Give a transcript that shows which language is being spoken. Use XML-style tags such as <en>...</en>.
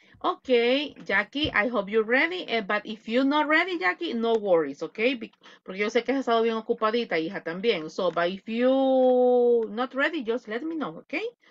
<en>Okay, Jackie, I hope you're ready, but if you're not ready, Jackie, no worries, okay?</en> <es>Porque yo sé que has estado bien ocupadita, hija, también.</es> <en>So, but if you're not ready, just let me know, okay?</en>